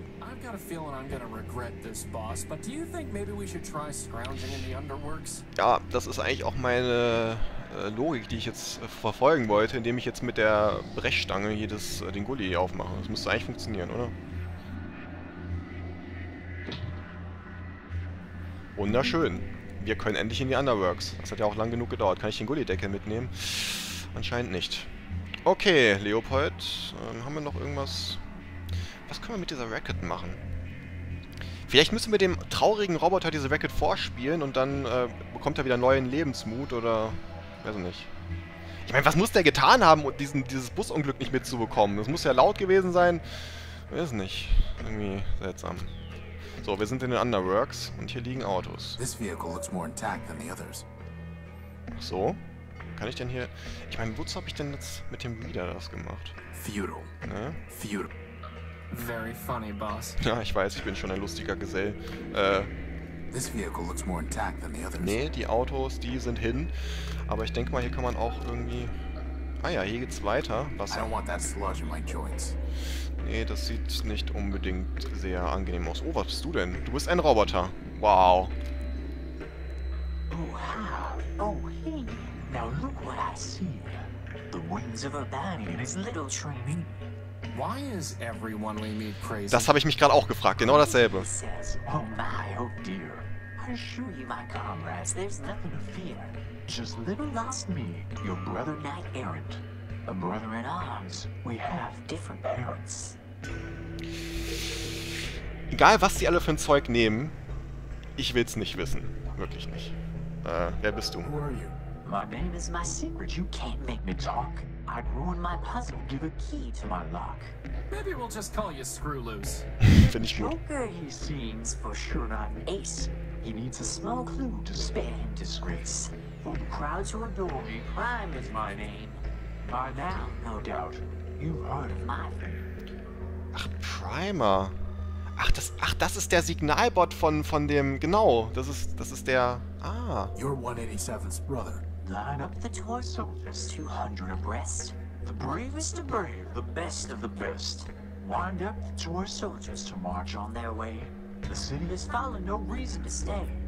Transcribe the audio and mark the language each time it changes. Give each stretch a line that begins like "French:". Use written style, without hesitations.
English: I've got a feeling I'm gonna regret this, boss. But do you think maybe we should try scrounging in the underworks?
German: Ja, das ist eigentlich auch meine Logik, die ich jetzt verfolgen wollte, indem ich jetzt mit der Brechstange hier das, den Gully aufmache. Das müsste eigentlich funktionieren, oder? Wunderschön. Wir können endlich in die Underworks. Das hat ja auch lang genug gedauert. Kann ich den Gullideckel mitnehmen? Anscheinend nicht. Okay, Leopold. Haben wir noch irgendwas? Was können wir mit dieser Racket machen? Vielleicht müssen wir dem traurigen Roboter diese Racket vorspielen und dann bekommt er wieder neuen Lebensmut oder... Weiß ich nicht. Ich meine, was muss der getan haben, um dieses Busunglück nicht mitzubekommen? Das muss ja laut gewesen sein. Weiß ich nicht. Irgendwie seltsam. So, wir sind in den Underworks und hier liegen Autos.
English: This vehicle looks more intact than the others.
German: Ach so? Kann ich denn hier... Ich meine, wozu habe ich denn jetzt mit dem Reader das gemacht?
English: Futile.
German: Ne?
English: Futile. Very funny, boss.
German: Ja, ich weiß, ich bin schon ein lustiger Gesell.
English: This vehicle looks more intact than the others.
German: Nee, die Autos, die sind hin. Aber ich denke mal, hier kann man auch irgendwie... Ah ja, hier geht's weiter. Wasser.
English: I don't want that sludge in my joints.
German: Nee, das sieht nicht unbedingt sehr angenehm aus. Oh, was bist du denn? Du bist ein Roboter. Wow.
English: Now look what I see. The wings of Urbani and his little training. Why is everyone we meet crazy?
German: Das habe ich mich gerade auch gefragt, genau dasselbe.
English: Oh my, oh dear. I assure you, my comrades, there's nothing to fear. Just little lost me, your brother knight errant. A brother in arms, we have different parents.
German: Egal, was sie alle für ein Zeug nehmen, ich will's nicht wissen. Wirklich nicht. Wer bist du?
English: Who are you? My name is my secret. You can't make me talk. I'd ruin my puzzle. Give a key to my lock. Maybe we'll just call you Screwloose.
German: Finde ich gut.
English: Joker, he seems for sure not an ace. He needs a small clue to spare him disgrace. For the crowds who adore me, Prime is my name. By now, no doubt, you've heard of my fame.
German: Ach, Primer. Ach, das ist der Signalbot von dem, genau, das ist der, ah.
English: You're 187's brother. Line up the toy soldiers, 200 abreast. The bravest of brave, the best of the best. Wind up the toy soldiers to march on their way. The city has fallen, no reason to stay.